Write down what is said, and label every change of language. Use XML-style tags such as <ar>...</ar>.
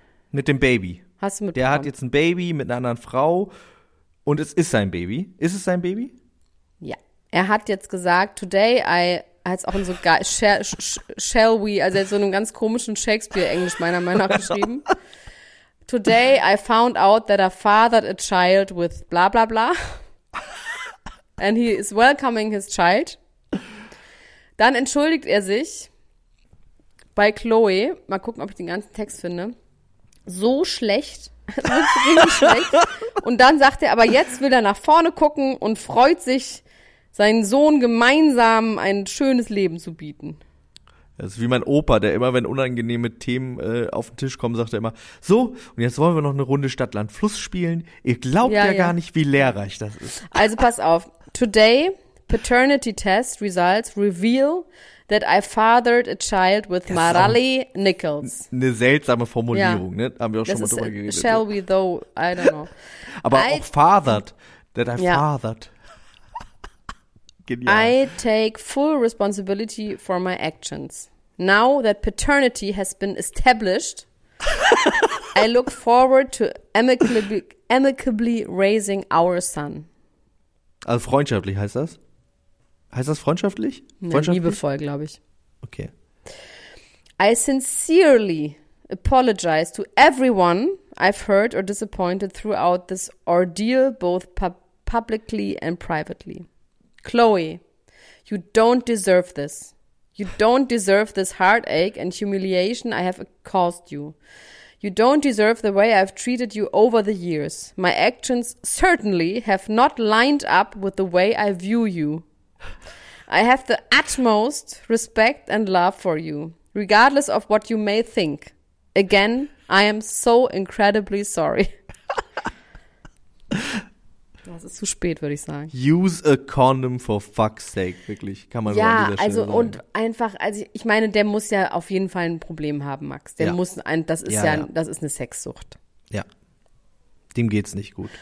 <de>Mit dem Baby. Hast du mitbekommen? Der hat jetzt ein Baby mit einer anderen Frau und es ist sein Baby. Ist es sein Baby? Ja. Er hat jetzt gesagt,</de> <en>today I,</en> <de>als auch in so,</de> <en>shall we,</en> <de>also jetzt so einem ganz komischen Shakespeare-Englisch meiner Meinung nach geschrieben.</de> <en>Today I found out that I fathered a child with bla bla bla. And he is welcoming his child.</en> <de>Dann entschuldigt er sich bei Chloe, mal gucken, ob ich den ganzen Text finde, so schlecht, richtig schlecht. Und dann sagt er, aber jetzt will er nach vorne gucken und freut sich, seinen Sohn gemeinsam ein schönes Leben zu bieten. Das ist wie mein Opa, der immer, wenn unangenehme Themen auf den Tisch kommen, sagt er immer, so, und jetzt wollen wir noch eine Runde Stadt-Land-Fluss spielen. Ihr glaubt ja gar nicht, wie lehrreich das ist. Also pass auf,</de> <en>today paternity test results reveal that I fathered a child with Marali Nichols.</en> <de>Eine seltsame Formulierung, ja, ne? Haben wir auch das schon mal drüber geredet.</de> <en>Shall we though, I don't know. Aber I, auch fathered, that I fathered.</en> <de>Genial.</de> <en>I take full responsibility for my actions. Now that paternity has been established, I look forward to amicably raising our son. Also freundschaftlich heißt das? Heißt das freundschaftlich? Freundschaftlich? Nein, liebevoll, glaube ich. Okay. I sincerely apologize to everyone I've hurt or disappointed throughout this ordeal, both publicly and privately. Chloe, you don't deserve this. You don't deserve this heartache and humiliation I have caused you. You don't deserve the way I've treated you over the years. My actions certainly have not lined up with the way I view you. I have the utmost respect and love for you, regardless of what you may think. Again, I am so incredibly sorry.</en> <de>Das ist zu spät, würde ich sagen.</de> <en>Use a condom for fuck's sake,</en> <de>wirklich. Kann man ja so an dieser also sagen. Und einfach, also ich meine, der muss ja auf jeden Fall ein Problem haben, Max. Der muss ein, das ist ja. Das ist eine Sexsucht. Ja. Dem geht's nicht gut.</de>